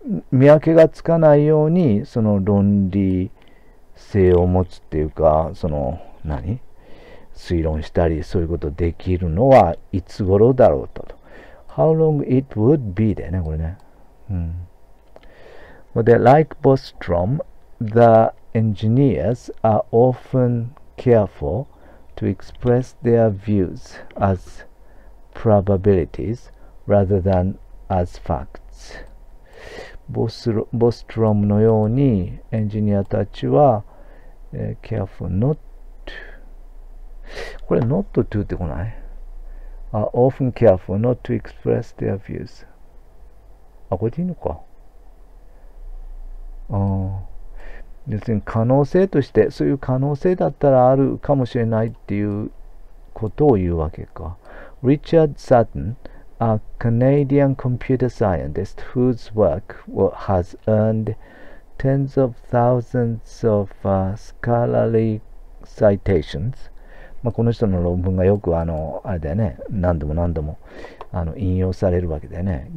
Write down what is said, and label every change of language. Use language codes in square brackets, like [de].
[ja] 見分けがつかないように、その論理性を持つっていうか、その何、何推論したり、そういうことできるのはいつ頃だろうと。 [en] How long it would be [ja] だよね、これね。 [en] Well, they're like Bostrom, the engineers are often careful to express their views as probabilities rather than as facts. [ja] Bostrom のように、エンジニアたちは、 [en] careful not to. [ja] これ、 [en] not to [ja] ってこない? [en] are often careful not to express their views. [ja] あ、これでいいのか。要するに可能性として、そういう可能性だったらあるかもしれないっていうことを言うわけか。 [en] Richard Sutton, a Canadian computer scientist whose work has earned tens of thousands of scholarly citations, [ja] まあ、この人の論文がよくあれだよね、何度も何度も引用されるわけだよね。